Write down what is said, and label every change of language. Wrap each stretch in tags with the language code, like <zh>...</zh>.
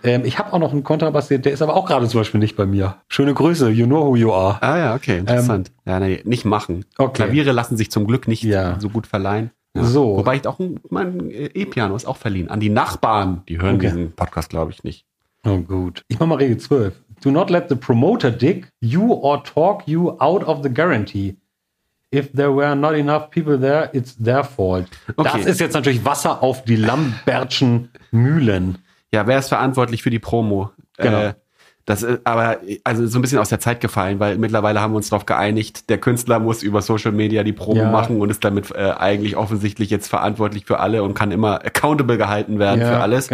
<de>Ich habe auch noch einen Kontrabass, der ist aber auch gerade zum Beispiel nicht bei mir. Schöne Grüße,</de> <en>you know who you are.</en> <de>Ah ja, okay, interessant. Ja, nee, nicht machen. Okay. Klaviere lassen sich zum Glück nicht so gut verleihen. Ja. So. Wobei ich auch mein E-Piano ist auch verliehen. An die Nachbarn, die hören diesen Podcast, glaube ich, nicht. Oh gut. Ich mache mal Regel 12.</de> <en>Do not let the promoter dick you or talk you out of the guarantee. If there were not enough people there, it's their fault.</en> <de>Okay. Das ist jetzt natürlich Wasser auf die Lambertschen Mühlen. Ja, wer ist verantwortlich für die Promo? Genau. Das ist aber also so ein bisschen aus der Zeit gefallen, weil mittlerweile haben wir uns darauf geeinigt, der Künstler muss über Social Media die Promo machen und ist damit eigentlich offensichtlich jetzt verantwortlich für alle und kann immer accountable gehalten werden für alles.</de>